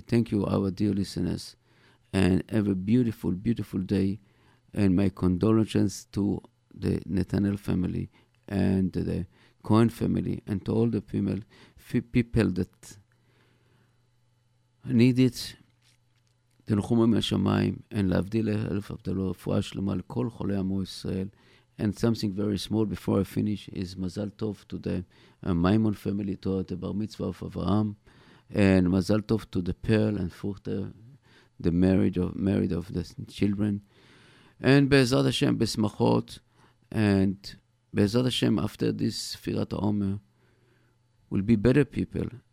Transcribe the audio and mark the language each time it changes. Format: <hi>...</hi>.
<en>Thank you our dear listeners, and have a beautiful, beautiful day, and my condolences to the Netanel family and the Cohen family and to all the people that need it.</en> <he>תנחומו מהשמיים,</he> <en>and</en> <he>להבדיל אלף הבדלות, רפואה שלמה לכל חולי עמו ישראל.</he> <en>And something very small before I finish is מזל טוב to the Maimon family, to the Bar Mitzvah of Abraham, and מזל טוב to the Pearl and Fuchter, the married of the children. And</en> <he>בעזרת השם בשמחות,</he> <en>and בעזרת השם after this ספירת העומר, we'll be better people.</en>